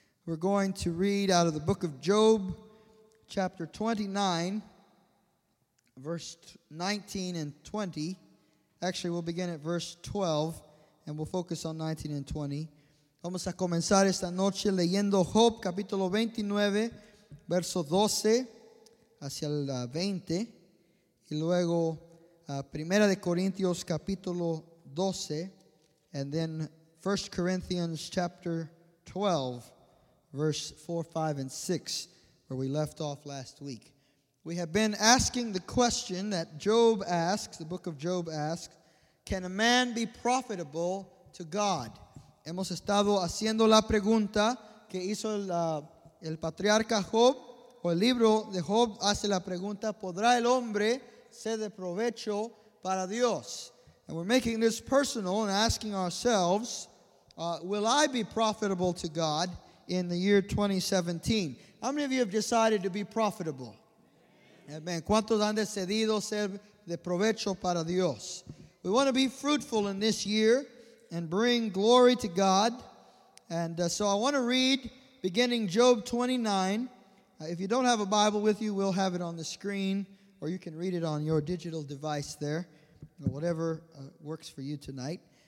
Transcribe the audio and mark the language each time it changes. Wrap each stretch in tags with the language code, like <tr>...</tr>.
<en>We're going to read out of the book of Job, chapter 29, verse 19 and 20. Actually, we'll begin at verse 12, and we'll focus on 19 and 20.</en> <es>Vamos a comenzar esta noche leyendo Job, capítulo 29, verso 12 hacia el 20. Y luego, Primera de Corintios, capítulo 12,</es> <en>and then 1 Corinthians, chapter 12. Verse 4, 5, and 6, where we left off last week. We have been asking the question that Job asks, the book of Job asks, can a man be profitable to God?</en> <es>Hemos estado haciendo la pregunta que hizo el patriarca Job, o el libro de Job hace la pregunta, ¿podrá el hombre ser de provecho para Dios?</es> <en>And we're making this personal and asking ourselves, will I be profitable to God? In the year 2017, how many of you have decided to be profitable? Amen.</en> <es>¿Cuántos han decidido ser de provecho para Dios?</es> <en>We want to be fruitful in this year and bring glory to God. And so I want to read beginning Job 29. If you don't have a Bible with you, we'll have it on the screen, or you can read it on your digital device there, or whatever works for you tonight.</en>